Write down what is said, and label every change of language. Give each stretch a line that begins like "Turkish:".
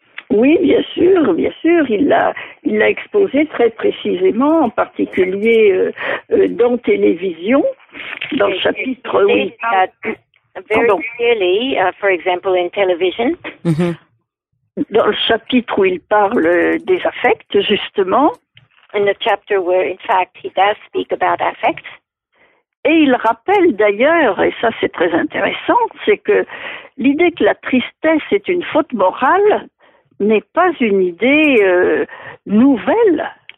French: Oui, bien sûr, il l'a exposé très précisément, en particulier dans Télévision, dans le chapitre où il parle.
English: Very clearly, for example, in Television.
French: Dans le chapitre où il parle des affects, justement.
English: In the chapter where, in fact, he does speak about affects.
French: Et il rappelle d'ailleurs, et ça c'est très intéressant, c'est que l'idée que la tristesse est une faute morale n'est pas une idée nouvelle.